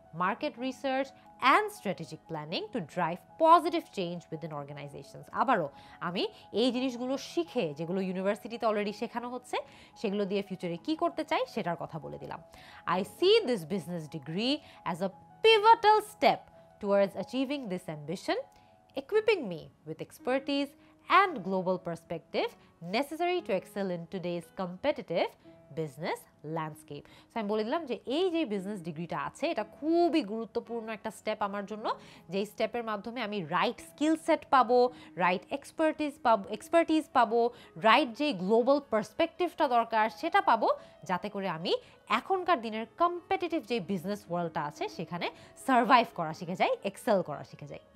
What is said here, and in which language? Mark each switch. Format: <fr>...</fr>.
<en>market research and strategic planning to drive positive change within organizations.</en> <bn>আবারও আমি এই জিনিসগুলো শিখে যেগুলো ইউনিভার্সিটিতে অলরেডি শেখানো হচ্ছে সেগুলো দিয়ে ফিউচারে কি করতে চাই সেটার কথা বলে দিলাম.</bn> <en>I see this business degree as a pivotal step towards achieving this ambition, equipping me with expertise and global perspective necessary to excel in today's competitive business landscape.</en> <bn>So আমি বলে দিলাম যে এই যে বিজনেস ডিগ্রিটা আছে এটা খুবই গুরুত্বপূর্ণ একটা স্টেপ আমার জন্য, যেই স্টেপের মাধ্যমে আমি রাইট স্কিল সেট পাবো, রাইট এক্সপার্টিজ পাবো, রাইট যে গ্লোবাল পার্সপেক্টিভটা দরকার সেটা পাবো, যাতে করে আমি এখনকার দিনের কম্পিটিটিভ যে বিজনেস ওয়ার্ল্ডটা আছে সেখানে সার্ভাইভ করা শিখে যাই, এক্সেল করা শিখে যাই।</bn>